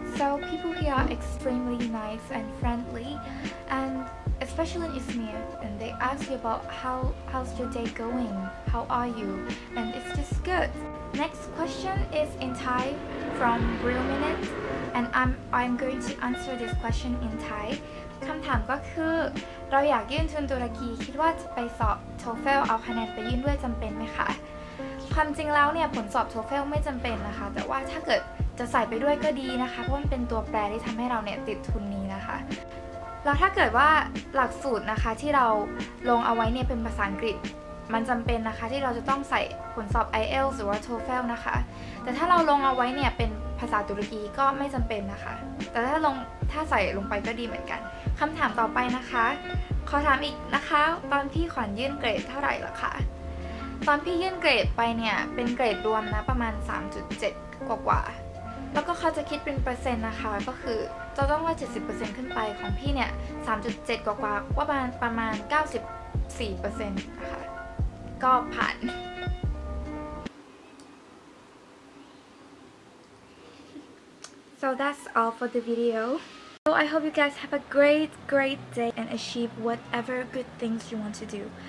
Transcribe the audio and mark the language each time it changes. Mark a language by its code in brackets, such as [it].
[en] So people here are extremely nice and friendly, and especially in Izmir, and they ask you about how's your day going, how are you, and it's just good. Next question is in Thai from Real Minute, and I'm going to answer this question in Thai. [th] คำถามก็คือเราอยากยื่นทุนตุรกีคิดว่าจะไปสอบ TOEFL เอาคะแนนไปยื่นด้วยจำเป็นไหมคะความจริงแล้วเนี่ยผลสอบ TOEFL ไม่จำเป็นนะคะแต่ว่าถ้าเกิดจะใส่ไปด้วยก็ดีนะคะเพราะมันเป็นตัวแปรที่ทำให้เราเนี่ยติดทุนนี้นะคะ แล้วถ้าเกิดว่าหลักสูตรนะคะที่เราลงเอาไว้เนี่ยเป็นภาษาอังกฤษมันจำเป็นนะคะที่เราจะต้องใส่ผลสอบ IELTS หรือว่า TOEFL นะคะแต่ถ้าเราลงเอาไว้เนี่ยเป็นภาษาตุรกีก็ไม่จำเป็นนะคะแต่ถ้าใส่ลงไปก็ดีเหมือนกันคำถามต่อไปนะคะขอถามอีกนะคะตอนพี่ขวัญยื่นเกรดเท่าไหร่ล่ะคะ ตอนพี่ยื่นเกรดไปเนี่ยเป็นเกรดรวมนะประมาณ 3.7 กว่าแล้วก็เขาจะคิดเป็นเปอร์เซ็นต์นะคะก็คือจะต้องว่า 70% ขึ้นไปของพี่เนี่ย 3.7 กว่าประมาณ 94% นะคะก็ผ่าน [en] So that's all for the video. So I hope you guys have a great, great day and achieve whatever good things you want to do.